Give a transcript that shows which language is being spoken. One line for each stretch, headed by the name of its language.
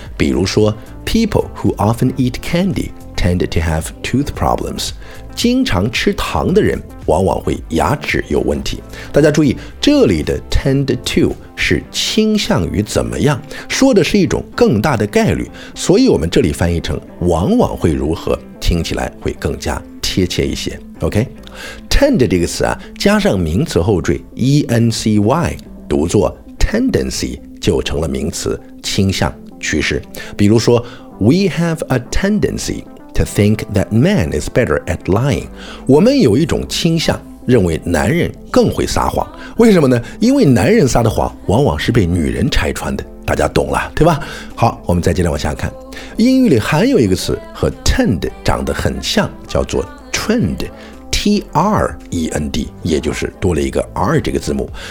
Chinese: 比如说
English: ，people who often eat candy tend to have tooth problems。
Chinese: 经常吃糖的人往往会牙齿有问题。大家注意，这里的 tend to 是倾向于怎么样，说的是一种更大的概率，所以我们这里翻译成往往会如何，听起来会更加贴。贴切一些。OK， tend 这个词啊，加上名词后缀 ency， 读作 tendency 就成了名词，倾向、趋势。比如说
English: ，We have a tendency to think that man is better at lying。
Chinese: 我们有一种倾向，认为男人更会撒谎。为什么呢？因为男人撒的谎往往是被女人拆穿的。大家懂了，对吧？好，我们再接着往下看。英语里还有一个词和 tend 长得很像，叫做 trend，T-R-E-N-D， 也就是多了一个 R 这个字母。